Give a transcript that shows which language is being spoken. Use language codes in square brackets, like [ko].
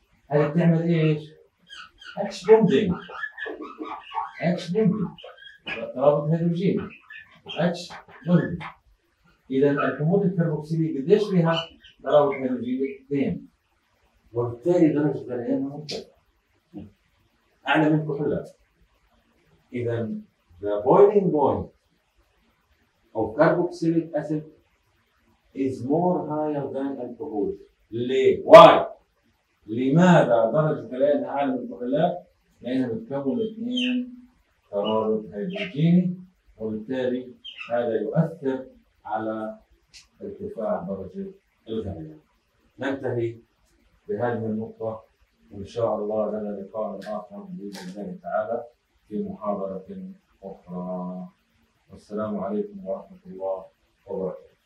[ar] هاي بتعمل ايش؟ اتش بوندينج. اتش بوندينج رابط هيدروجين. اتش بوندينج إذا الحموض الكربوكسيلي قديش فيها تراوح هيدروجيني؟ 2، وبالتالي درجة غليانها مرتفعة أعلى من الكحولات. [en] إذا the boiling point of carboxylic acid is more higher than alcohol. [ar] ليه؟ [en] Why؟ [ar] لماذا درجة غليانها أعلى من الكحولات؟ لأنها بتكون 2 تراوح هيدروجيني، وبالتالي هذا يؤثر على ارتفاع درجة الغليان. ننتهي بهذه النقطة، وإن شاء الله لنا لقاء آخر بإذن الله تعالى في محاضرة أخرى. والسلام عليكم ورحمة الله وبركاته.